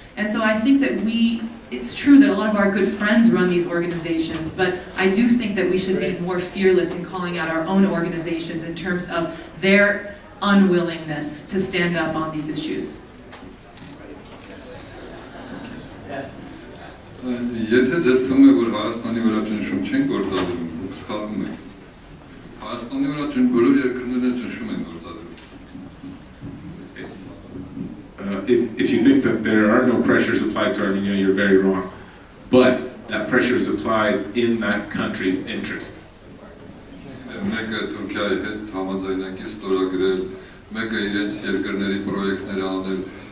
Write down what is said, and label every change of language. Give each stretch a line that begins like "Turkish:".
English: And so I think that it's true that a lot of our good friends run these organizations, but I do think that we should be more fearless in calling out our own organizations in terms of their unwillingness to stand up on these issues.
Armenian: Եթե ձեզ թվում է, որ Հայաստանի վրա ճնշում չեն գործադրում, դուք սխալվում եք. Հայաստանի վրա բոլոր երկրները ճնշում են գործադրում.
English: If you think that there are no pressures applied to Armenia, you're very wrong. But that pressure is applied in that country's interest.
Armenian: Մեկը Թուրքիայի հետ համաձայնագիր ստորագրել, մեկը իրենց երկրների պրոյեկտներ անել.